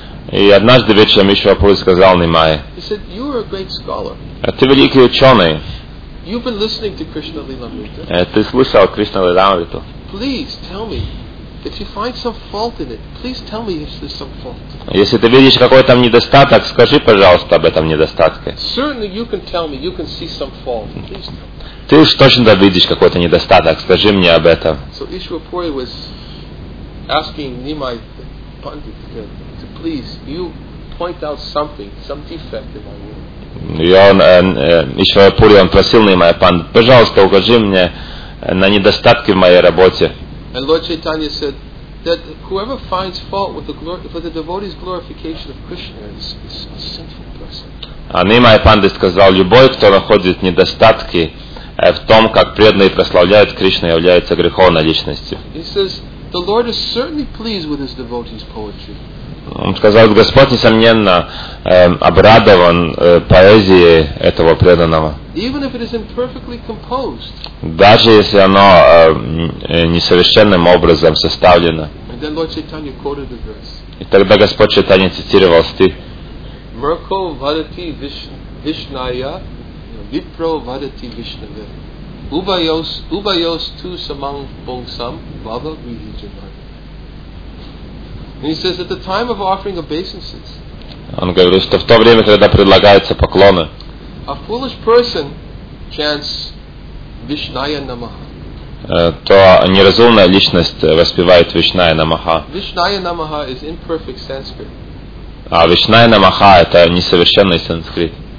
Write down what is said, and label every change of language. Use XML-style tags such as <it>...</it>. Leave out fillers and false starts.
<ru>И однажды вечером Ishwar Puri сказал Нимай, ты великий ученый.</ru> <en>You've been listening to Krishna Lilamrita.</en> <ru>Ты слышал Кришна Лиламриту.</ru> <en>Please tell me if you find some fault in it. Please tell me if there's some fault.</en> <ru>Если ты видишь какой там недостаток, скажи, пожалуйста, об этом недостатке.</ru> <en>Certainly you can tell me. You can see some fault. Please tell me.</en> <ru>Ты уж точно да видишь какой-то недостаток. Скажи мне об этом.</ru> <en>So Ishwar Puri was asking Nimai Pandit to please you point out something, some defect in my world.</en> <ru>И он, Ishwara Puri, он просил Нимай Панд, пожалуйста, укажи мне на недостатки в моей работе.</ru> <en>And Lord Chaitanya said that whoever finds fault with the devotee's glorification of Krishna is a sinful person.</en> <ru>А Нимай Панд сказал, любой, кто находит недостатки в том, как преданные прославляют Кришну, является греховной личностью.</ru> <en>He says, the Lord is certainly pleased with his devotee's poetry.</en> <ru>Он сказал, Господь, несомненно, обрадован поэзией этого преданного.</ru> <en>Even if it is imperfectly composed.</en> <ru>Даже если оно несовершенным образом составлено.</ru> <en>And then Lord Chaitanya quoted the verse.</en> <ru>И тогда Господь Чайтанья цитировал стих.</ru> <sa>Мрко вадати вишная, випро вадати вишнаве. Убайос ту самам бонгсам, баба вихиджима.</sa> <en>And he says at the time of offering obeisances.</en> <ru>Он говорит, что в то время, когда предлагаются поклоны.</ru> <en>A foolish person chants Vishnaya Namaha.</en> <ru>То неразумная личность воспевает Вишная Намаха.</ru> <en>Vishnaya Namaha is imperfect Sanskrit.</en> <ru>А Вишная Намаха — это несовершенный санскрит.</ru>